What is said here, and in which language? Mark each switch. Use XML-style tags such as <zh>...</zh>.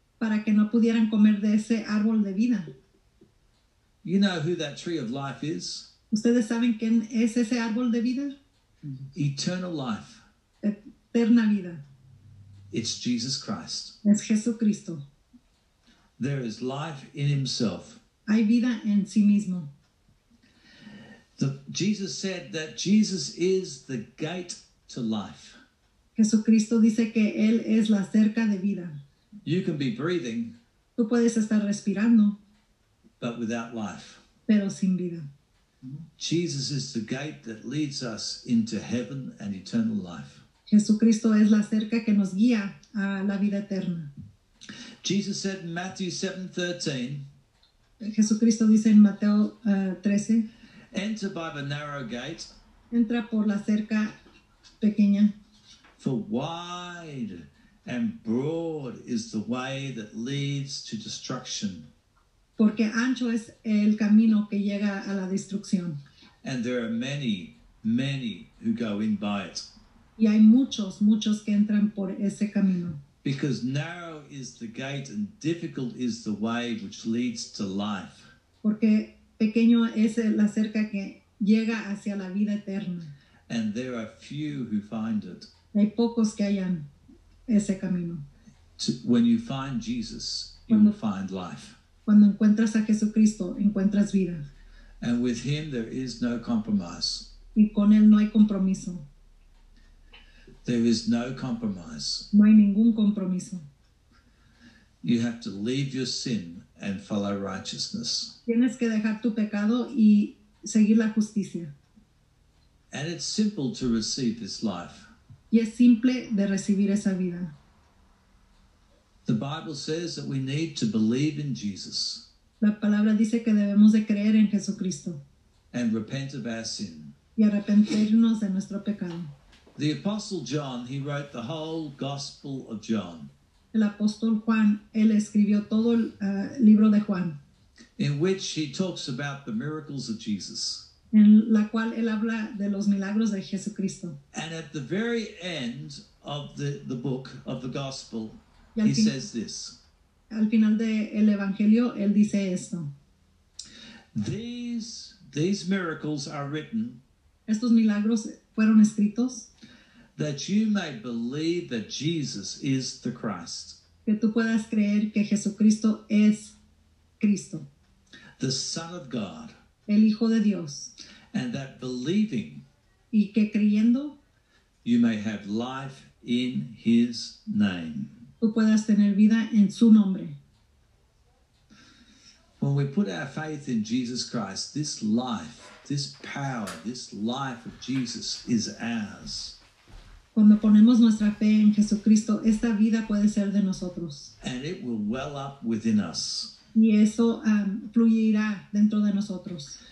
<es>Para que no pudieran comer de ese árbol de vida.</es> <en>You know who that tree of life is?</en> <es>¿Ustedes saben quién es ese árbol de vida?</es> <en>Eternal life.</en> <es>Eterna vida.</es> <en>It's Jesus Christ.</en> <es>Es Jesucristo.</es> <en>There is life in himself.</en> <es>Hay vida en sí mismo.</es> <en>Jesus said that Jesus is the gate to life.</en> <es>Jesucristo dice que él es la cerca de vida.</es> <en>You can be breathing.</en> <es>Tú puedes estar respirando.</es> <en>But without life.</en> <es>Pero sin vida.</es> <en>Jesus is the gate that leads us into heaven and eternal life.</en> <es>Jesucristo es la cerca que nos guía a la vida eterna.</es> <en>Jesus said in Matthew 7:13.</en> <es>Jesucristo dice en Mateo 13.</es> <en>Enter by the narrow gate.</en> <es>Entra por la cerca pequeña.</es> <en>For wide and broad is the way that leads to destruction.</en> <es>Porque ancho es el camino que llega a la destrucción.</es> <en>And there are many, many who go in by it.</en> <es>Y hay muchos, muchos que entran por ese camino.</es> <en>Because narrow is the gate and difficult is the way which leads to life.</en> <es>Porque pequeño es la cerca que llega hacia la vida eterna.</es> <en>And there are few who find it.</en> <es>Hay pocos que hayan ese camino.</es> <en>When you find Jesus, you will find life.</en> <es>Cuando encuentras a Jesucristo, encuentras vida.</es> <en>And with him, there is no compromise.</en> <es>Y con él no hay compromiso.</es> <en>There is no compromise.</en> <es>No hay ningún compromiso.</es> <en>You have to leave your sin and follow righteousness.</en> <es>Tienes que dejar tu pecado y seguir la justicia.</es> <en>And it's simple to receive this life.</en> <es>Y es simple de recibir esa vida.</es> <en>The Bible says that we need to believe in Jesus.</en> <es>La palabra dice que debemos de creer en Jesucristo.</es> <en>And repent of our sin.</en> <es>Y arrepentirnos de nuestro pecado.</es> <en>The Apostle John, he wrote the whole Gospel of John.</en> <es>El apóstol Juan, él escribió todo el libro de Juan.</es> <en>In which he talks about the miracles of Jesus.</en> <es>En la cual él habla de los milagros de Jesucristo.</es> <en>And at the very end of the book of the Gospel, he says this.</en> <es>Al final de el evangelio, él dice esto.</es> <en>These miracles are written.</en> <es>Estos milagros fueron escritos.</es> <en>That you may believe that Jesus is the Christ.</en> <es>Que tú puedas creer que Jesucristo es Cristo.</es> <en>The Son of God.</en> <es>El Hijo de Dios.</es> <en>And that believing.</en> <es>Y que creyendo.</es> <en>You may have life in his name.</en> <es>Tú puedas tener vida en su nombre.</es> <en>When we put our faith in Jesus Christ, this life, this power, this life of Jesus is ours.</en> <es>Cuando ponemos nuestra fe en Jesucristo, esta vida puede ser de nosotros.</es> <en>And it will well up within us.</en> <es>Y eso fluirá dentro de nosotros.</es>